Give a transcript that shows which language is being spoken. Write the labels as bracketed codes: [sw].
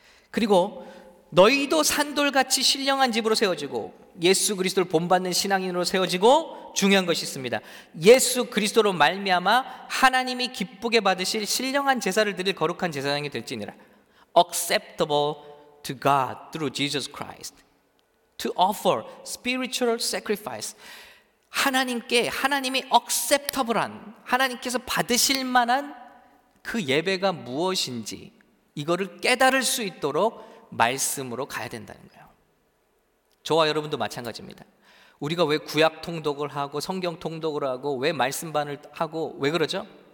[ko] 그리고 너희도 산돌같이 신령한 집으로 세워지고 예수 그리스도를 본받는 신앙인으로 세워지고, 중요한 것이 있습니다. 예수 그리스도로 말미암아 하나님이 기쁘게 받으실 신령한 제사를 드릴 거룩한 제사장이 될지니라. [en] Acceptable to God through Jesus Christ to offer spiritual sacrifice. [ko] 하나님이 acceptable한, 하나님께서 받으실 만한 그 예배가 무엇인지 이거를 깨달을 수 있도록 말씀으로 가야 된다는 거예요. 저와 여러분도 마찬가지입니다. 우리가 왜 구약 통독을 하고 성경 통독을 하고 왜 말씀반을 하고 왜 그러죠?